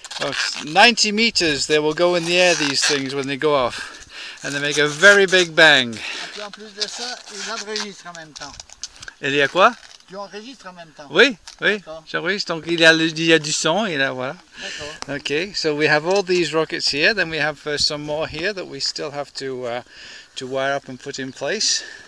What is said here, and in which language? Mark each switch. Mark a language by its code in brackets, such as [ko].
[en] Oh, 90 meters, they will go in the air, these things, when they go off. And they make a very big bang. [fr] Et puis en plus de ça, ils enregistrent en même temps. Il y a quoi? Tu enregistres en même temps. Oui, oui, j'enregistre. Donc il y a du son, il y a, voilà. D'accord. [en] Okay, so we have all these rockets here. Then we have some more here that we still have to wire up and put in place.